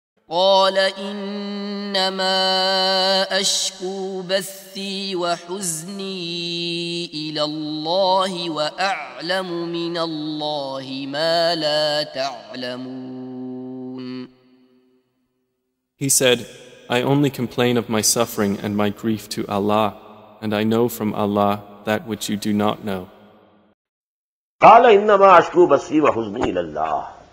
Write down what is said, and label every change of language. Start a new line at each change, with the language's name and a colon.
Arabic: قال إنما أشكو بثي وحزني إلى الله وأعلم من الله ما لا تعلمون.
English: He said, I only complain of my suffering and my grief to Allah, and I know from Allah that which you do not know.
Arabic: قال إنما أشكو بثي وحزني إلى الله.